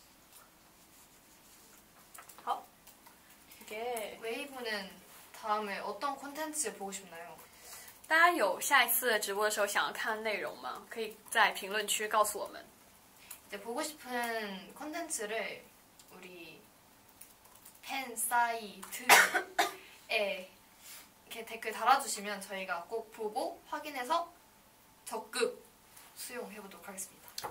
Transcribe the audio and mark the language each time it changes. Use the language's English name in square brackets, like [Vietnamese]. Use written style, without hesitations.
[Chinese] 유빈说他下次也想做一下那次的那样的就是直播好 [Korean] 웨이브는 다음에 어떤 콘텐츠 보고 싶나요? [Chinese] 大家有下一次直播的时候想要看内容吗？可以在评论区告诉我们 [Korean] 이제 보고 싶은 콘텐츠를 우리 팬 사이트에 이렇게 댓글 달아주시면 저희가 꼭 보고 확인해서 적극 수용해보도록 하겠습니다.